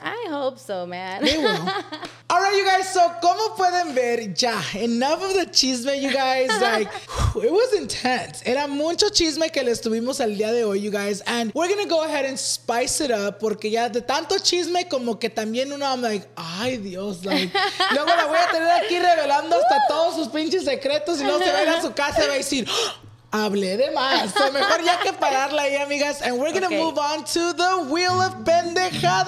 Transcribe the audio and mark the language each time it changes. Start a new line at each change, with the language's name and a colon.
English: I hope so, man. They will. All right, you guys. So,
Spanish: como pueden ver, ya.
English: Enough of the chisme, you guys. Like, it was intense.
Spanish: Era mucho chisme que les tuvimos el día de hoy,
English: you guys. And we're going to go ahead and spice it up.
Spanish: Porque ya de tanto chisme, como que también uno,
English: I'm like,
Spanish: ay, Dios. Like, luego la voy a tener aquí revelando hasta todos sus pinches secretos. Y no se va a ir a su casa y va a decir, ¡oh, hablé de más! So, mejor ya que pararla ahí, amigas.
English: And we're going to move on to the Wheel of Pendejadas.